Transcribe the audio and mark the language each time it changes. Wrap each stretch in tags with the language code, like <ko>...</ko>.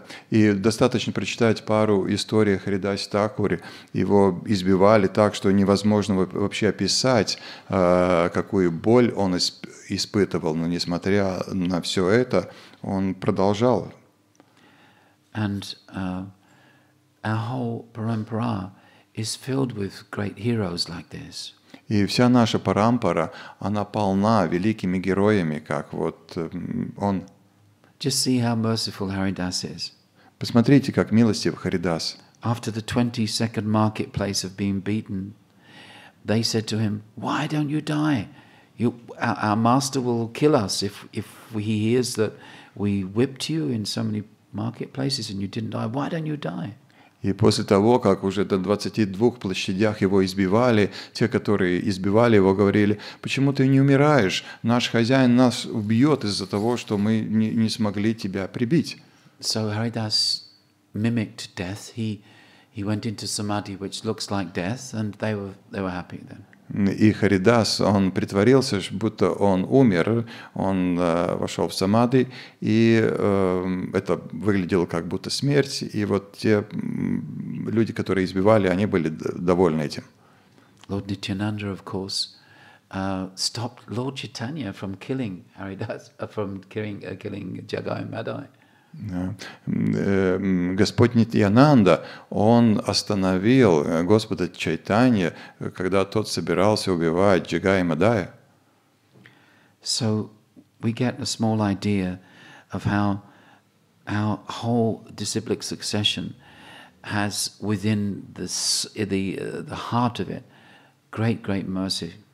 <ru>И достаточно прочитать пару историй о Харидасе Такуре. Его избивали так, что невозможно вообще описать, какую боль он испытывал. Но несмотря на все это, он продолжал.</ru> <en>And our whole parampara is filled with great heroes like this.</en> <ru>И вся наша парампара, она полна великими героями, как вот он.</ru> <en>Just see how merciful Haridas is.</en> <ru>Посмотрите, как милостив Харидас.</ru> <en>After the 22nd marketplace of being beaten, they said to him, "Why don't you die? Our master will kill us if he hears that we whipped you in so many marketplaces and you didn't die, why don't you die?</en> <ru>И после того, как уже до 22 площадях его избивали, те, которые избивали его, говорили, почему ты не умираешь? Наш хозяин нас убьет из-за того, что мы не смогли тебя прибить.</ru> <en>So Haridas mimicked death. He went into samadhi, which looks like death, and they were happy then.</en> <ru>И Харидас, он притворился, будто он умер, он вошел в самадхи, и это выглядело как будто смерть, и вот те люди, которые избивали, они были довольны этим.</ru> <en>Lord Nityananda, of course, stopped Lord Chaitanya from killing Haridas, from killing Jagai Madai.</en> <ru>Господь Нитьянанда, он остановил Господа Чайтанья, когда тот собирался убивать Джигая Мадая.</ru> <en>So we get a small idea of how our whole disciplic succession has within the heart of it great mercy.</en>